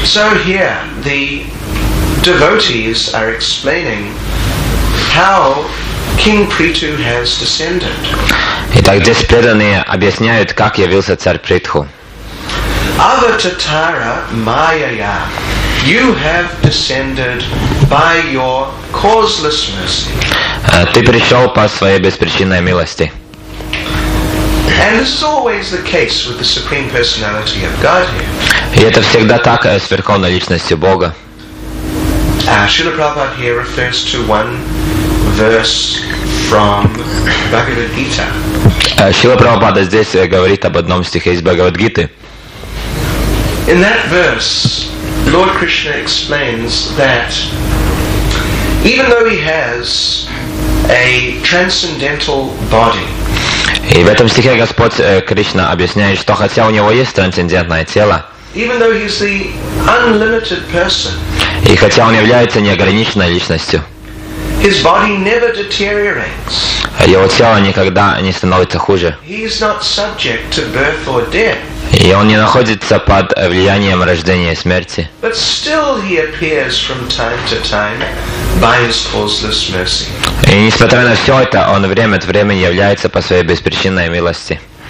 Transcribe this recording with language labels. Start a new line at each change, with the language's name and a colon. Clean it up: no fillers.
English: So here, the devotees are explaining how King Prithu has descended.
Russian: Итак, здесь преданные объясняют, как явился царь Притху.
English: Avatara Mayaya, you have descended by your causeless mercy.
Russian: Ты пришел по своей беспричинной милости.
English: And this is always the case with the Supreme Personality of Godhead.
Russian: И это всегда так с Верховной Личностью Бога.
English: Srila Prabhupada here refers to one verse from Bhagavad Gita.
Russian: Srila Prabhupada здесь говорит об одном стихе из Бхагавад Гиты.
English: In that verse, Lord Krishna explains that even though he has a transcendental body,
Russian: и в этом стихе Господь Кришна объясняет, что хотя у него есть трансцендентное тело,
English: even though he's the unlimited person,
Russian: и хотя он является неограниченной личностью,
English: his body never deteriorates.
Russian: Его тело никогда не становится хуже.
English: He is not subject to birth or death.
Russian: И он не находится под влиянием рождения и смерти.
English: But still he appears from time to time by his causeless mercy.
Russian: И несмотря на все это, он время от времени является по своей беспричинной милости.